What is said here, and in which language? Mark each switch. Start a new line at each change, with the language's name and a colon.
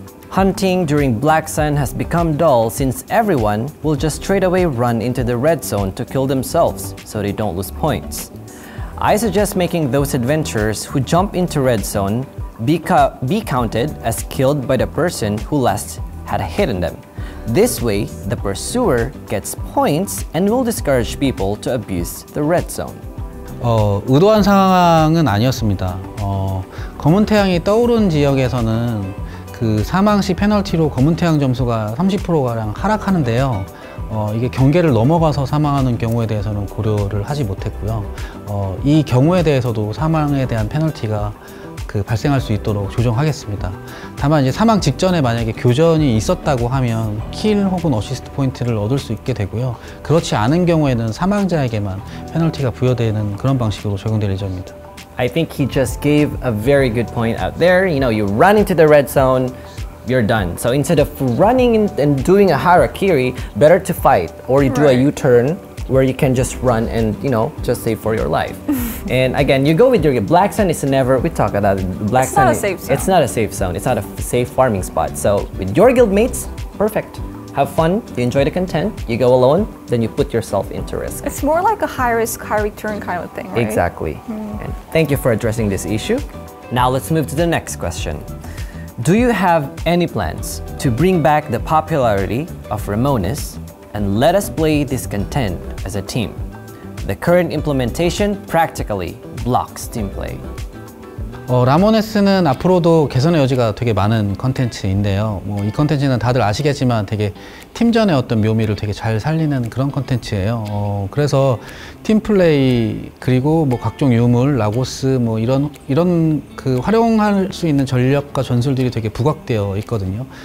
English: Hunting during black sun has become dull since everyone will just straight away run into the red zone to kill themselves so they don't lose points. I suggest making those adventurers who jump into red zone be counted as killed by the person who last had a hit in them. This way, the pursuer gets points and will discourage people to abuse the red zone.
Korean: 의도한 상황은 아니었습니다. 검은 태양이 떠오른 지역에서는 그 사망 시 페널티로 검은 태양 점수가 30%가량 하락하는데요. 이게 경계를 넘어가서 사망하는 경우에 대해서는 고려를 하지 못했고요. 이 경우에 대해서도 사망에 대한 페널티가 발생할 수 있도록 조정하겠습니다. 다만 이제 사망 직전에 만약에 교전이 있었다고 하면 킬 혹은 어시스트 포인트를 얻을 수 있게 되고요. 그렇지 않은 경우에는 사망자에게만 페널티가 부여되는 그런 방식으로 적용될 예정입니다.
English: I think he just gave a very good point out there. You know, you run into the red zone, you're done. So instead of running and doing a harakiri, better to fight or you do a U-turn where you can just run and, you know, just save for your life. And again, you go with your black sun, it's never, we talk about it. Black sun, it's not a safe zone. It's not a safe zone. It's not a safe farming spot. So with your guild mates, perfect. Have fun, you enjoy the content, you go alone, then you put yourself into risk. It's more like a high risk, high return kind of thing, right? Exactly. Mm. And thank you for addressing this issue. Now let's move to the next question. Do you have any plans to bring back the popularity of Ramoness and let us play discontent as a team. The current implementation practically blocks team play.
Korean: 라모네스는 앞으로도 개선의 여지가 되게 많은 컨텐츠인데요. 뭐 이 컨텐츠는 다들 아시겠지만 되게 팀전의 어떤 묘미를 되게 잘 살리는 그런 컨텐츠예요. 그래서 팀플레이 그리고 뭐 각종 유물, 라고스 뭐 이런 그 활용할 수 있는 전략과 전술들이 되게 부각되어 있거든요.